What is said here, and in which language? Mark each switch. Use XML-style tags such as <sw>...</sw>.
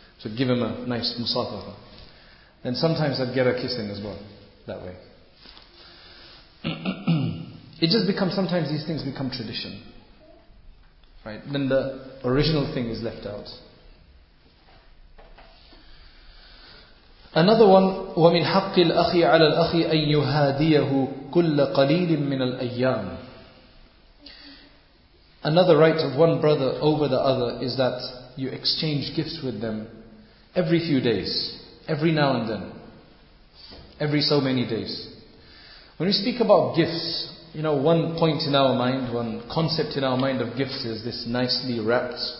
<en>So give them a nice musafaha. And sometimes I'd get a kissing as well, that way. It just becomes, sometimes these things become tradition. Right, then the original thing is left out. Another one,</en> <ar>وَمِنْ حَقِّ الْأَخِي عَلَى الْأَخِي أَنْ يُهَادِيَهُ كُلَّ قَلِيلٍ مِّنَ الْأَيَّامِ.</ar> <en>Another right of one brother over the other is that you exchange gifts with them every few days, every now and then, every so many days. When we speak about gifts, you know, one point in our mind, one concept in our mind of gifts is this nicely wrapped.</en>